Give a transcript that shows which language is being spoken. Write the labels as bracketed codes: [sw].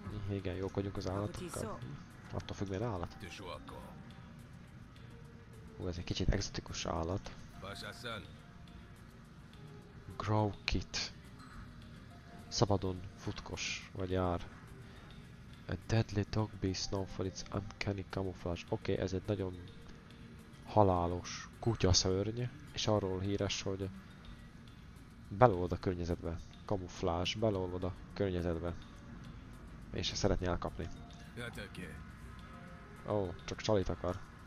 [hu] Igen, jók vagyunk az állatokkal. Attól függ, milyen állat. Hú, ez egy kicsit exotikus állat. Growkit. Szabadon futkos, vagy jár. [en] A deadly dog beast known for its uncanny camouflage. [hu] Oké, okay, ez egy nagyon halálos kutyaszörny, és arról híres, hogy beleolvad a környezetbe. Kamuflás, beleolvad a környezetbe. És ezt szeretné elkapni. Ó, oh, csak csalit akar.